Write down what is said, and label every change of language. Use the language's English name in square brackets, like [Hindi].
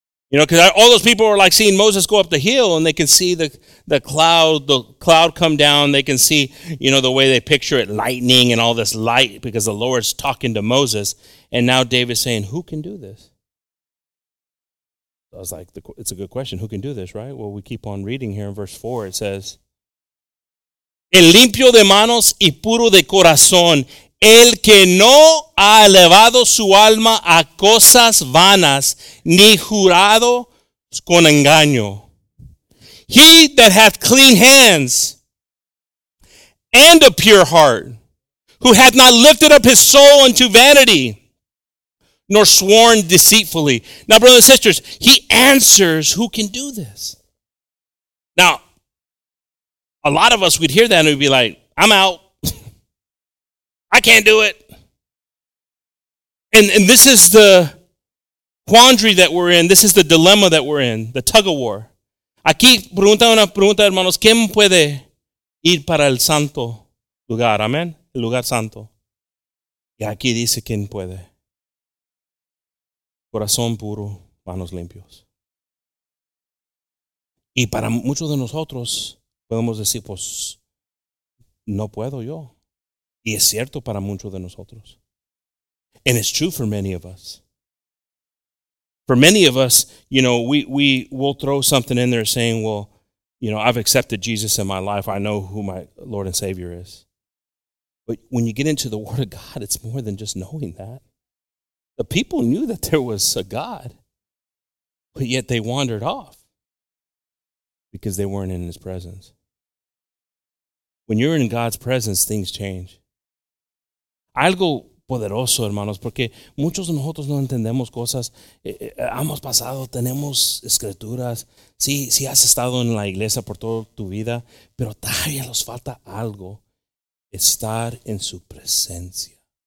[English] You know, because all those people are like seeing Moses go up the hill, and they can see the cloud come down. They can see, you know, the way they picture it, lightning and all this light, because the Lord's talking to Moses. And now David's saying, who can do this? I was like, it's a good question. Who can do this, right? Well, we keep on reading here in verse 4. It says, [Spanish] el limpio de manos y puro de corazón, el que no ha elevado su alma a cosas vanas, ni jurado con engaño. [English] He that hath clean hands and a pure heart, who hath not lifted up his soul unto vanity, nor sworn deceitfully. Now, brothers and sisters, he answers, who can do this? Now, a lot of us, we'd hear that and we'd be like, I'm out. I can't do it. And this is the quandary that we're in. This is the dilemma that we're in, the tug of war. [Spanish] Aquí, pregunta una pregunta, hermanos, ¿quién puede ir para el santo lugar? Amen. El lugar santo. Y aquí dice, ¿quién puede? Corazón puro, manos limpios. Y para muchos de nosotros, podemos decir, pues, no puedo yo. Y es cierto para muchos de nosotros. [English] And it's true for many of us. For many of us, you know, we will throw something in there saying, well, you know, I've accepted Jesus in my life. I know who my Lord and Savior is. But when you get into the Word of God, it's more than just knowing that. The people knew that there was a God, but yet they wandered off because they weren't in his presence. When you're in God's presence, things change. [Spanish] Algo poderoso, hermanos, porque muchos de nosotros no entendemos cosas. Hemos pasado, tenemos escrituras. Sí, sí has estado en la iglesia por toda tu vida, pero todavía nos falta algo, estar en su presencia.